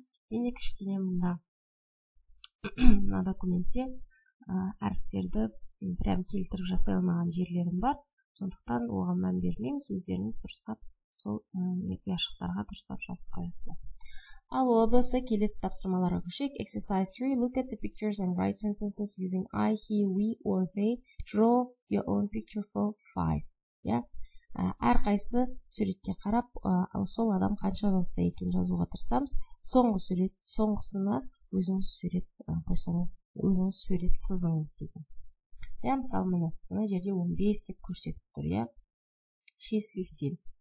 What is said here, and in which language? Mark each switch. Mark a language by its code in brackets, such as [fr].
[kk] Ене кішкене мында мына документте әріптерді прям келтіріп жасай алмаған жерлерім бар. Сондықтан оған мән бермеңіз, өздеріңіз дұрыстап сол ұяшықтарға дұрыстап жазып қойасыз. Ал облысы келесі тапсырмаларға көшейік. [en] Exercise 3. Look at the pictures and write sentences using I, he, we, or they. Draw your own picture for 5. Yeah? [kk] Әрқайсы суретке қарап, сол адам қанша жасты екен жазуға тұрсамыз. Соңғы сурет, соңғысына өзіңіз сурет қойсаңыз, өзіңіз сурет сызыңыз дейді. [en] Yeah? [kk] Мысалы мұны, мына жерде 15 деп көрсетіп тұр. [en] Yeah? She's 15.